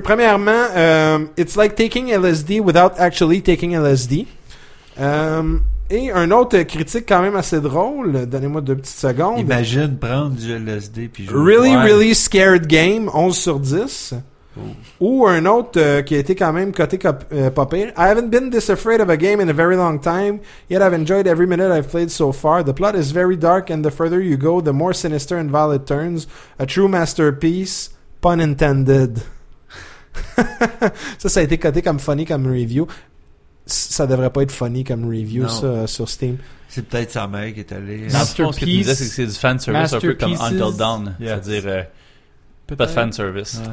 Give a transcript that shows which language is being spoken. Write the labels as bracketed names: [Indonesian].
[French] Premièrement, [English] « It's like taking LSD without actually taking LSD. [French] » Et un autre critique quand même assez drôle, donnez-moi deux petites secondes. Imagine prendre du LSD puis jouer. [English] Really scared game, [French] 11 sur 10. [English] Ooh. [French] Ou un autre qui a été quand même coté pas pire. [English] I haven't been this afraid of a game in a very long time, yet I've enjoyed every minute I've played so far. The plot is very dark and the further you go, the more sinister and vile it turns. A true masterpiece, pun intended. [French] Ça a été coté comme funny, comme review. Ça devrait pas être funny comme review, non. Ça, sur Steam. C'est peut-être sa mère qui est allée... [English] Masterpiece. [French] Ce que tu disais, c'est que c'est du fanservice un peu comme Until Dawn. Yes. C'est-à-dire, pas de fanservice.